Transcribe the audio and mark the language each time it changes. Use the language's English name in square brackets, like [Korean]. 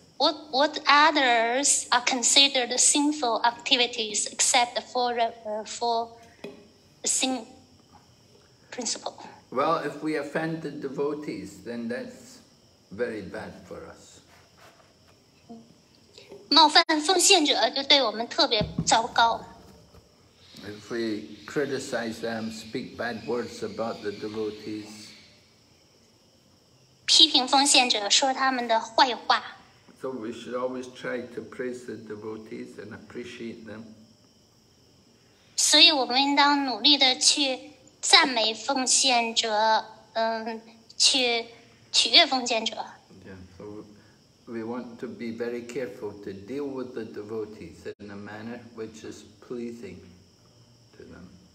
[English] What others are considered sinful activities, except for sin principle? Well, if we offend the devotees, then that's very bad for us. [Chinese] 冒犯奉献者就对我们特别糟糕。 [English] If we criticize them, speak bad words about the devotees. [Chinese] 批评奉献者，说他们的坏话。 [English] So we should always try to praise the devotees and appreciate them. [Chinese] 所以我们应当努力地去赞美奉献者，取悦奉献者。 [English] So we want to be very careful to deal with the devotees in a manner which is pleasing to them.